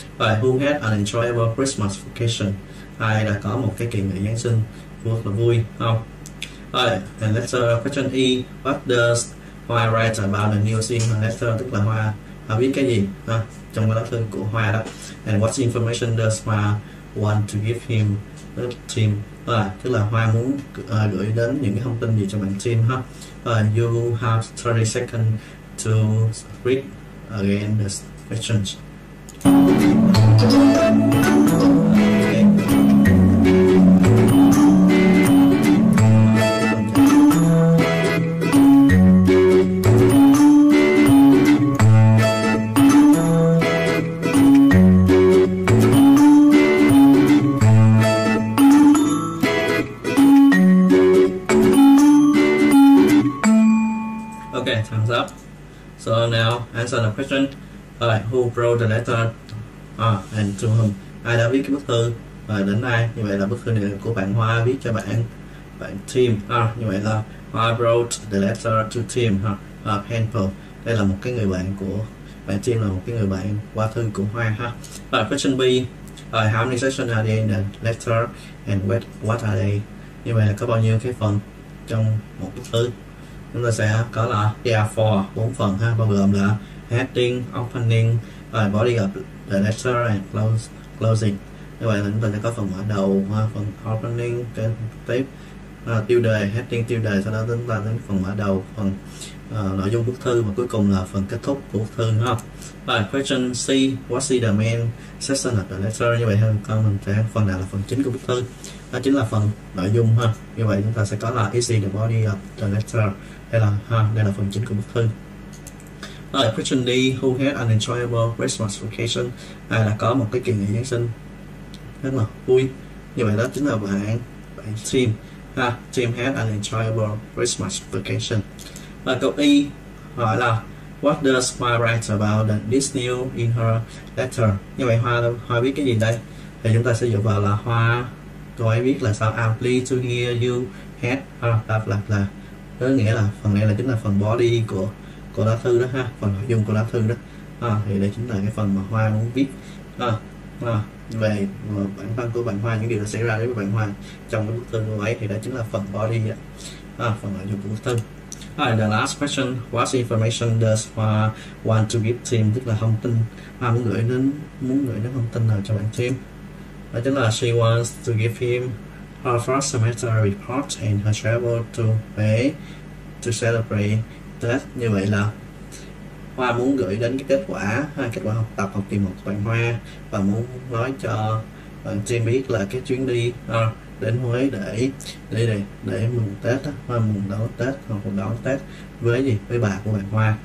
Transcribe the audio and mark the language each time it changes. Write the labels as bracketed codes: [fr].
[vi] Rồi, [en] who had an enjoyable Christmas vacation, [vi] ai đã có một cái kỳ nghỉ Giáng sinh rất là vui không. Rồi, [en] and let's question E, what does Hoa write about the new thing, letter [vi] tức là hoa viết cái gì ha, trong cái lá thư của hoa đó. [en] And what information does hoa want to give him Tim, [vi] tức là hoa muốn gửi đến những cái thông tin gì cho bạn Tim ha. [en] You have 30 seconds to read again the questions. Okay, thumbs up. So now answer the question. Alright, who wrote the letter? And to whom? [vi] Ai đã viết cái bức thư đến ai? Như vậy là bức thư này của bạn Hoa viết cho bạn Tim. Như vậy là [en] Hoa wrote the letter to Tim. Penpal. [vi] Đây là một cái người bạn của bạn Tim, là một cái người bạn qua thư của Hoa ha. [en] Question B. How many sections are there in the letter? And what are they? [vi] Như vậy là có bao nhiêu cái phần trong một bức thư? Chúng ta sẽ có là [en] there are four, [vi] bốn phần ha, bao gồm là [en] heading, opening, body of the letter and closing. [vi] Như vậy là chúng ta sẽ có phần mở đầu, phần opening, cái tiếp tiêu đề, heading, tiêu đề, sau đó chúng ta đến phần mở đầu, phần nội dung bức thư và cuối cùng là phần kết thúc của bức thư ha. [en] Question C, what is the main section of the letter? [vi] Như vậy thì mình sẽ phần nào là phần chính của bức thư, đó chính là phần nội dung ha. Như vậy chúng ta sẽ có là [en] is the body of the letter, [vi] đây là ha, đây là phần chính của bức thư. [en] Question D, who had an enjoyable Christmas vacation? [vi] Ai đã có một cái kỳ nghỉ Giáng sinh rất là vui. Như vậy đó chính là bạn Tim ha. [en] Tim had an enjoyable Christmas vacation. [vi] Và câu E hỏi là [en] what does Hoa write about this new in her letter? [vi] Như vậy Hoa viết cái gì đây? Thì chúng ta sẽ dựa vào là Hoa, cô ấy viết là sao? [en] I'm pleased to hear you had blah blah blah. [vi] Có nghĩa là phần này là chính là phần body của lá thư đó ha, phần nội dung của lá thư đó. Thì đây chính là cái phần mà Hoa muốn viết về bản thân của bạn Hoa, những điều đã xảy ra đối với bạn Hoa trong cái bức thư của ấy, thì đó chính là phần body đó. Phần nội dung của bức thư. [en] The last question, what information does Hoa want to give Tim? [vi] Tức là thông tin Hoa muốn gửi đến thông tin nào cho bạn Tim? Đó chính là [en] she wants to give him her first semester report and her travel to Huế to celebrate Tết. [vi] Như vậy là Hoa muốn gửi đến cái kết quả học tập học kỳ 1 của bạn Hoa, và muốn nói cho bạn Tim biết là cái chuyến đi đến Huế để mừng Tết đó, Hoa mừng đón Tết hoặc mừng đón Tết với gì, với bà của bạn Hoa.